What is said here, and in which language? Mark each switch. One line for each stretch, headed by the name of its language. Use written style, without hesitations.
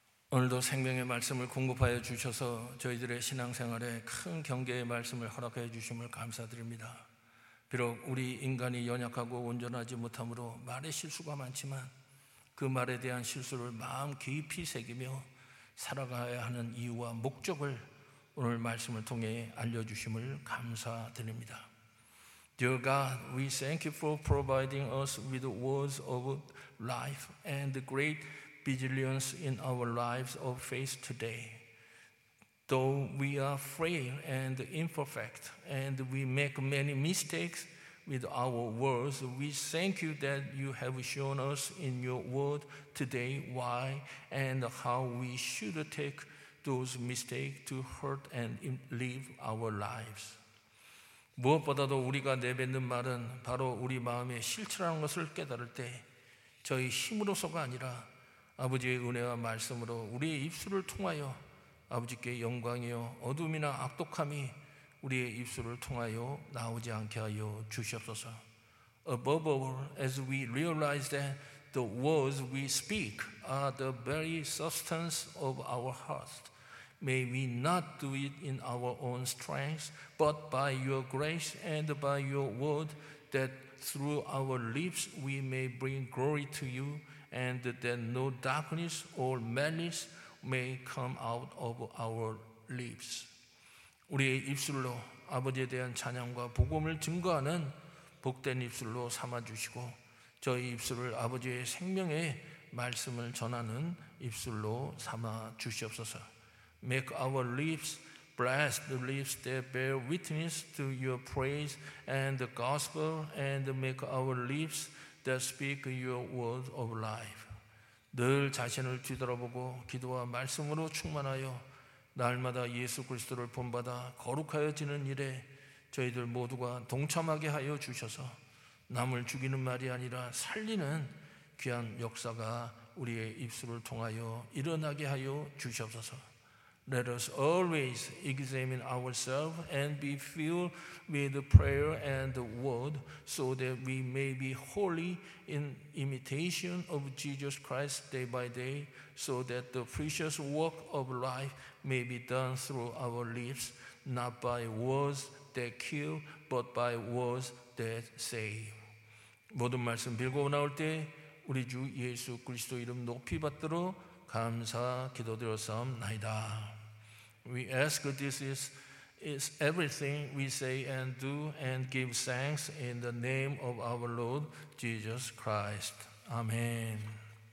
Korean: 오늘도 생명의 말씀을 공급하여 주셔서 저희들의 신앙생활에 큰 경계의 말씀을 허락해 주심을 감사드립니다. 비록 우리 인간이 연약하고 온전하지 못하므로 말의 실수가 많지만 그 말에 대한 실수를 마음 깊이 새기며 살아가야 하는 이유와 목적을 오늘 말씀을 통해 알려주심을 감사드립니다.
English: Dear God, we thank you for providing us with words of life and great vigilance in our lives of faith today. Though we are frail and imperfect, and we make many mistakes with our words, we thank you that you have shown us in your word today why and how we should take those mistakes to hurt and live our lives.
Korean: 무엇보다도 우리가 내뱉는 말은 바로 우리 마음의 실체라는 것을 깨달을 때 저희 힘으로서가 아니라 아버지의 은혜와 말씀으로 우리의 입술을 통하여 아버지께 영광이요 어둠이나 악독함이 우리의 입술을 통하여 나오지 않게 하여 주시옵소서.
English: Above all, as we realize that the words we speak are the very substance of our hearts, may we not do it in our own strength, but by your grace and by your word, that through our lips we may bring glory to you, and that no darkness or malice may come out of our lips.
Korean: 우리의 입술로 아버지에 대한 찬양과 복음을 증거하는 복된 입술로 삼아주시고 저희 입술을 아버지의 생명의 말씀을 전하는 입술로 삼아주시옵소서.
English: Make our lips blessed lips that bear witness to your praise and the gospel, and make our lips that speak your word of life.
Korean: 늘 자신을 뒤돌아보고 기도와 말씀으로 충만하여 날마다 예수 그리스도를 본받아 거룩하여지는 일에 저희들 모두가 동참하게 하여 주셔서 남을 죽이는 말이 아니라 살리는 귀한 역사가 우리의 입술을 통하여 일어나게 하여 주시옵소서.
English: Let us always examine ourselves and be filled with prayer and the word so that we may be holy in imitation of Jesus Christ day by day, so that the precious work of life may be done through our lips, not by words that kill, but by words that save.
Korean: 모든 말씀 빌고 나올 때 우리 주 예수 그리스도 이름 높이 받들어 감사 기도드렸사옵나이다.
English: We ask this is everything we say and do and give thanks in the name of our Lord Jesus Christ. Amen.